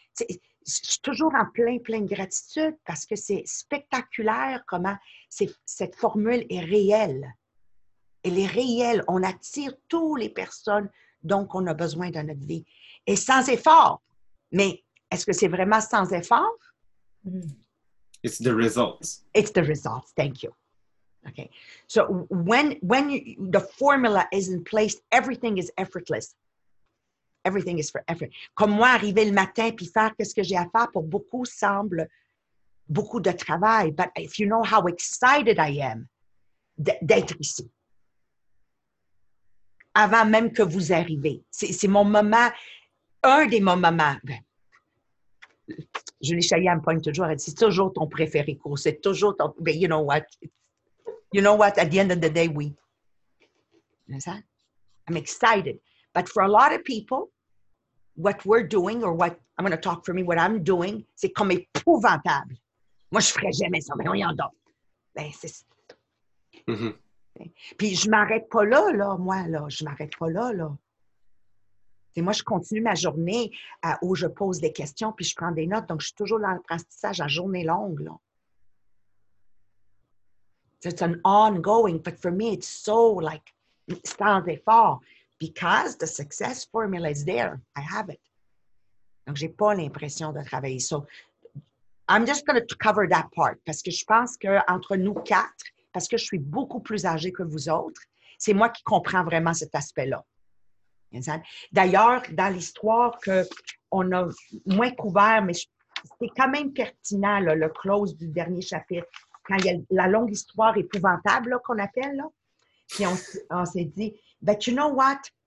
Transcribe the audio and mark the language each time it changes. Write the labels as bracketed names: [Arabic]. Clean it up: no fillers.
[French] Je suis toujours en plein gratitude parce que c'est spectaculaire comment cette formule est réelle. Elle est réelle. On attire toutes les personnes dont on a besoin dans notre vie. Et sans effort. Mais est-ce que c'est vraiment sans effort? [English] It's the results. It's the results. Thank you. Okay. So when you, the formula is in place, everything is effortless. Everything is for effort. [French] Comme moi, arriver le matin puis faire qu'est-ce que j'ai à faire pour beaucoup semble beaucoup de travail. [English] But if you know how excited I am [French] d'être ici. Avant même que vous arriviez. C'est mon moment, un de mes moments. Ben, Julie Chaillet me pointe toujours, elle dit, c'est toujours ton préféré cours, c'est toujours ton... [English] Ben, you know what? You know what? At the end of the day, [French] oui. C'est ça? [English] I'm excited. But for a lot of people, what we're doing, or what, I'm going to talk for me, what I'm doing, [French] c'est comme épouvantable. Moi, je ne ferais jamais ça, mais on y en a. Ben, c'est... Puis je m'arrête pas là, là, moi, là. Je m'arrête pas là, là. Et moi, je continue ma journée où je pose des questions puis je prends des notes. Donc, je suis toujours dans l'apprentissage à journée longue, là. [English] It's an ongoing, but for me, it's so, like, [French] sans effort. [English] Because the success formula is there. I have it. [French] Donc, j'ai pas l'impression de travailler. [English] So, I'm just going to cover that part. [French] Parce que je pense qu'entre nous quatre, parce que je suis beaucoup plus âgée que vous autres, c'est moi qui comprends vraiment cet aspect-là. D'ailleurs, dans l'histoire qu'on a moins couvert, mais c'est quand même pertinent, là, le close du dernier chapitre, quand il y a la longue histoire épouvantable là, qu'on appelle, là, puis on s'est dit, [English] but you know what?